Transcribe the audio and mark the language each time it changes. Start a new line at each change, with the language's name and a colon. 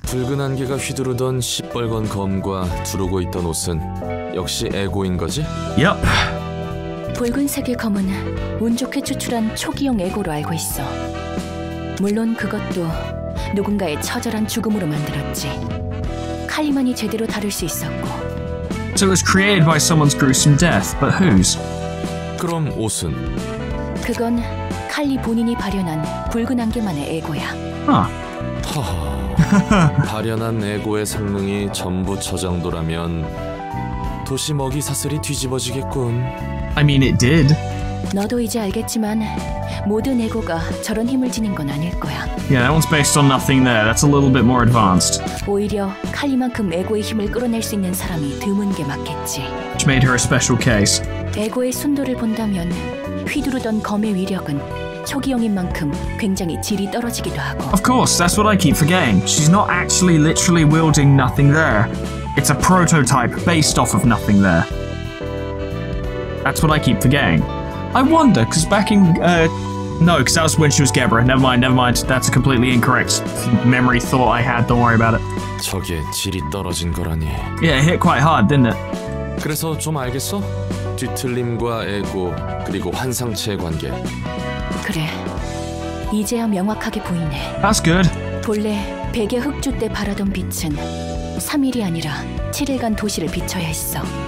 Korean: 붉은 안개가 휘두르던 시뻘건 검과 두르고 있던 옷은 역시 에고인 거지?
English: Yep.
Korean: 붉은색의 검은 운 좋게 추출한 초기형 에고로 알고 있어. 물론 그것도 누군가의 처절한 죽음으로 만들었지. 칼리만이 제대로 다룰 수 있었고.
English: So it was created by someone's gruesome death, but whose?
Korean: 그럼 옷은? 그건 칼리 본인이 발현한 붉은 안개만의 에고야. 허허. 발현한 에고의 성능이 전부 저정도라면 도시 먹이 사슬이 뒤집어지겠군.
English: I mean, it did.
Korean: 너도 이제 알겠지만 모든 에고가 저런 힘을 지닌 건 아닐 거야.
English: Yeah, that one's based on nothing there. That's a little bit more advanced.
Korean: 오히려 칼리만큼 에고의 힘을 끌어낼 수 있는 사람이 드문 게 맞겠지.
English: Which made her a special case.
Korean: 에고의 순도를 본다면 휘두르던 검의 위력은 초기형인 만큼 굉장히 질이 떨어지기도 하고.
English: Of course, that's what I keep forgetting. She's not actually literally wielding nothing there. It's a prototype based off of nothing there. That's what I keep forgetting. I wonder, because back in, no, because that was when she was Gebra. Never mind. That's a completely incorrect memory thought I had. Don't worry about it.
Korean: 저게 질이 떨어진 거라니.
English: Yeah, it hit quite hard, didn't it?
Korean: 그래서 좀 알겠어? 뒤틀림과 에고, 그리고 환상체의 관계. 그래. 이제야 명확하게 보이네.
English: That's good.
Korean: 본래 백의 흑주 때 바라던 빛은 3일이 아니라 7일간 도시를 비춰야 했어.